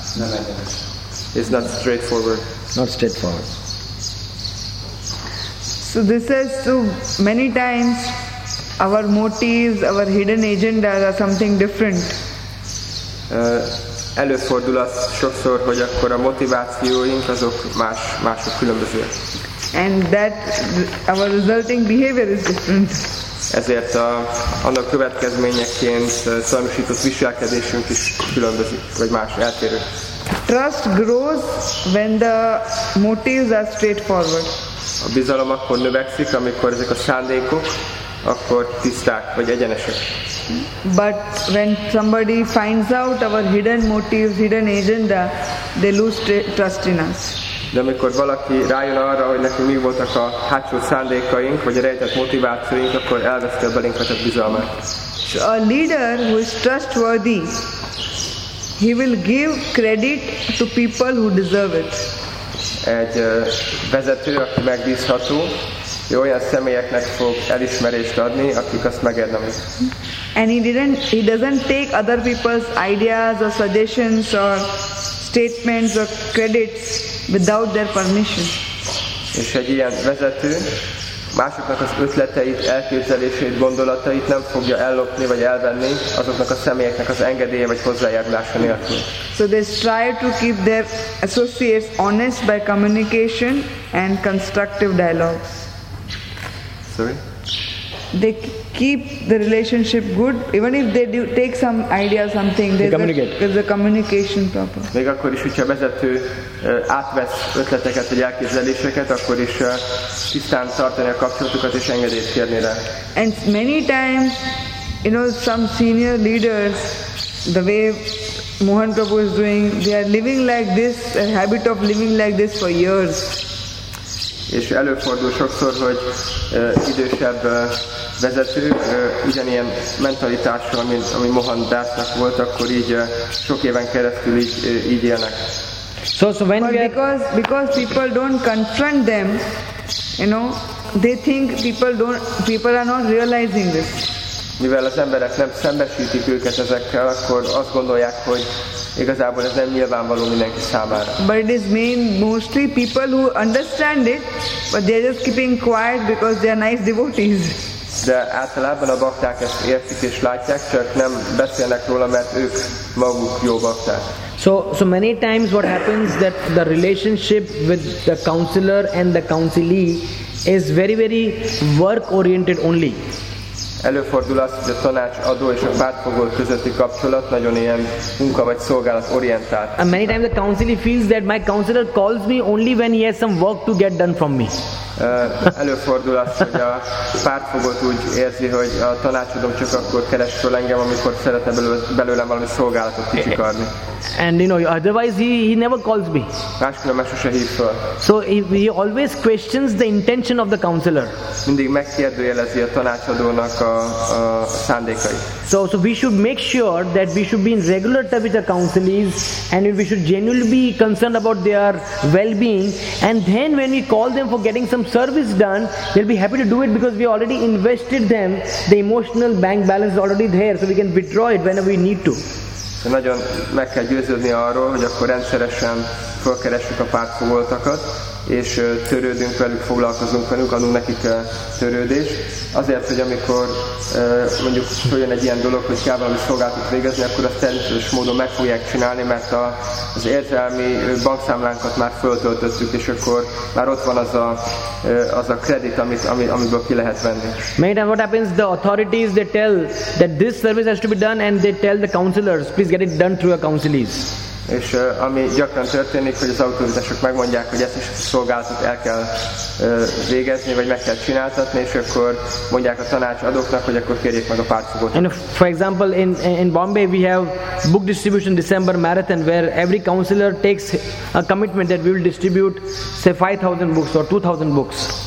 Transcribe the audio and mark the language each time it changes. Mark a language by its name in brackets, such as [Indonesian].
[English] Motivated. It's not straightforward. So this is, so many times our motives, our hidden agendas are something different. [Hungarian] Előfordul az sokszor, hogy akkor a motivációink azok más, mások, különbözőek. [English] And that our resulting behavior is different. [Hungarian] Ezért a, annak következményeként szamisított viselkedésünk is különbözik, vagy más, eltérő. [English] Trust grows when the motives are straightforward. [Hungarian] A bizalom akkor növekszik, amikor ezek a szándékok akkor tiszták, vagy egyenesek. [English] But when somebody finds out our hidden motives, hidden agenda, they lose trust in us. [Hungarian] De amikor valaki rájön arra, hogy nekünk mi voltak a hátsó szándékaink, vagy a rejtett motivációink, akkor elveszti a belénket a bizalmát. [English] So a leader who is trustworthy, he will give credit to people who deserve it. [Hungarian] Egy vezető, aki megbízható, ő olyan személyeknek fog elismerést adni, akik azt megérdemlik. [English] And he doesn't take other people's ideas or suggestions or statements or credits without their permission. [Hungarian] És egy ilyen vezető másoknak az ötleteit, elképzeléseit, gondolatait nem fogja ellopni vagy elvenni azoknak a személyeknek az engedélye vagy hozzájárulása nélkül. [English] So they strive to keep their associates honest by communication and constructive dialogues. Sorry? They keep the relationship good, even if they do take some idea or something, there's a communication proper. [Hungarian] Még akkor is, hogyha a vezető átvesz ötleteket vagy elképzeléseket, akkor is tisztán tartani a kapcsolatukat és engedélyt kérni rá. [English] And many times, you know, some senior leaders, the way Mohan Prabhu is doing, they are living like this, a habit of living like this for years. [Hungarian] És előfordul sokszor, hogy idősebb vezetők ugyanilyen mentalitással, mint ami Mohan Dasnak volt, akkor így sok éven keresztül így élnek. [English] So when But because people don't confront them, you know, they think people are not realizing this. [Hungarian] Mivel az emberek nem szembesítik őket ezekkel, akkor azt gondolják, hogy igazából ez nem nyilvánvaló mindenki számára. [English] But it is mostly people who understand it, but they are just keeping quiet because they are nice devotees. [Hungarian] De általában a bakták ezt értik és látják, csak nem beszélnek róla, mert ők maguk jó bakták. [English] So many times what happens that the relationship with the counselor and the counselee is very, very work-oriented only. [Hungarian] Előfordul az, hogy a tanácsadó és a pártfogó közötti kapcsolat nagyon ilyen munka vagy szolgálat orientált. [English] And many times the counselee feels that my counselor calls me only when he has some work to get done from me. [Hungarian] Előfordul az, hogy a pártfogó úgy érzi, hogy a tanácsadó csak akkor keres föl engem, amikor szeretne belőlem valami szolgálatot kicsikarni. [English] And you know, otherwise he never calls me. [Hungarian] Máskülönben sose hív föl. [English] So he always questions the intention of the counselor. [Hungarian] Mindig megkérdőjelezi a tanácsadónak a szándékait. [English] So we should make sure that we should be in regular touch with the counselees, and we should genuinely be concerned about their well-being, and then when we call them for getting some service done, they'll be happy to do it because we already invested them, the emotional bank balance is already there, so we can withdraw it whenever we need to. [Hungarian] Nagyon meg kell győződni arról, hogy akkor rendszeresen fölkeressük a pártfogoltakat, és törődünk velük, foglalkozunk velük, adunk nekik törődést. Azért, hogy amikor mondjuk följön egy ilyen dolog, hogy kell valami szolgáltat végezni, akkor azt természetes módon meg fogják csinálni, mert az érzelmi bankszámlánkat már föltöltöttük, és akkor már ott van az a kredit, amiből ki lehet venni. [English] Many times what happens, the authorities, they tell that this service has to be done, and they tell the counselors, please get it done through a counselees. [Hungarian] És ami gyakran történik, hogy az autorizások megmondják, hogy ezt is a szolgálatot el kell végezni, vagy meg kell csináltatni, és akkor mondják a tanácsadóknak, hogy akkor kérjék meg a pártfogót. [English] And for example, in Bombay we have book distribution December marathon, where every counselor takes a commitment that we will distribute say 5,000 books or 2,000 books.